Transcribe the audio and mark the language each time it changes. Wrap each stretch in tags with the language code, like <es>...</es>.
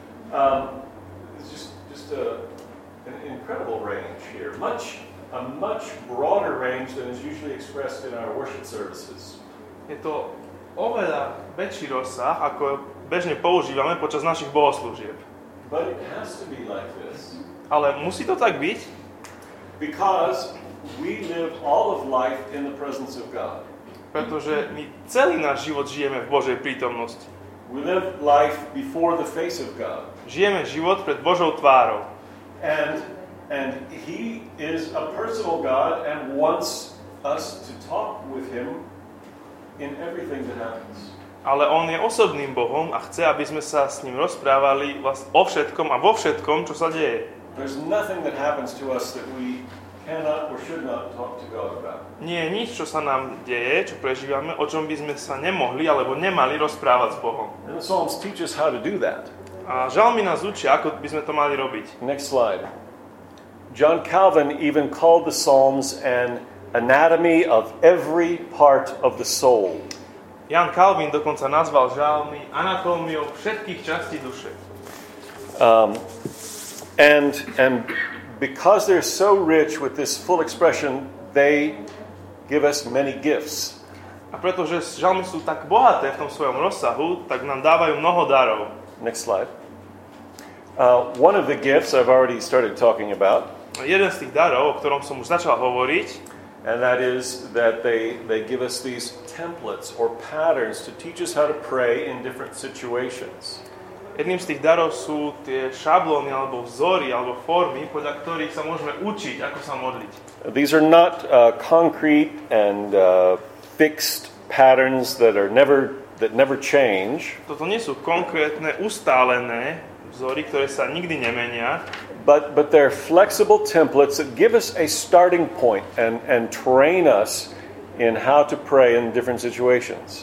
<en>It's just an incredible range here. A much broader range than is usually expressed in our worship services.</en> <sk>Je to oveľa väčší rozsah, ako bežne používame počas našich bohoslúžieb.</sk> <en>But it has to be like this.</en> <sk>Ale musí to tak byť?</sk> <en>Because we live all of life in the presence of God.</en> <sk>Pretože my celý náš život žijeme v Božej prítomnosti.</sk> <en>We live life before the face of God.</en> <sk>Žijeme život pred Božou tvárou.</sk> <en>And he is a personal God and wants us to talk with him in everything that happens.</en> <sk>Ale on je osobným Bohom a chce, aby sme sa s ním rozprávali o všetkom a vo všetkom, čo sa deje.</sk> <en>There's nothing that happens to us that we cannot or should not talk to God about.</en> <sk>Nie je nič, čo sa nám deje, čo prežívame, o čom by sme sa nemohli alebo nemali rozprávať s Bohom.</sk> <en>And the Psalms teach us how to do that.</en> <sk>A žalmy nás učia, ako by sme to mali robiť.</sk> <en>Next slide. John Calvin even called the Psalms an anatomy of every part of the soul.</en> <sk>Jan Calvin dokonca nazval žalmy anatómiou všetkých častí duše.</sk> <en>And because they're so rich with this full expression, they give us many gifts.</en> <sk>A pretože žalmy sú tak bohaté v tom svojom rozsahu, tak nám dávajú mnoho darov.</sk> <en>Next slide. One of the gifts I've already started talking about.</en> <sk>Jeden z tých darov, o ktorom som už začal hovoriť,</sk> <en>and that is that they give us these templates or patterns to teach us how to pray in different situations.</en> <sk>Jedným z tých darov sú tie šablóny alebo vzory alebo formy, podľa ktorých sa môžeme učiť, ako sa modliť.</sk> <en>These are not concrete and fixed patterns that never change.</en> <sk>Toto nie sú konkrétne ustálené vzory, ktoré sa nikdy nemenia.</sk> <en>But they're flexible templates that give us a starting point and train us in how to pray in different situations.</en>